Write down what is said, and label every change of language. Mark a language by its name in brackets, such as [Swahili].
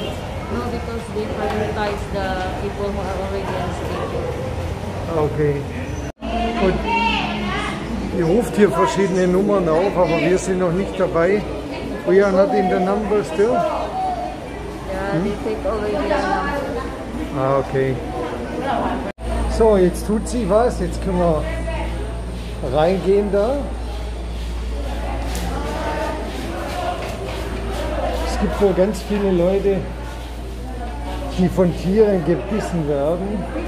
[English] No, because they prioritize the people who are already in state. [German] Okay. Gut. Ihr ruft hier verschiedene Nummern auf, aber wir sind noch nicht dabei. [English] We are not in the number still? Yeah, they take already the number. [German] Ah, okay. So, jetzt tut sie was. Jetzt können wir reingehen da. Es gibt wohl ganz viele Leute, die von Tieren gebissen werden.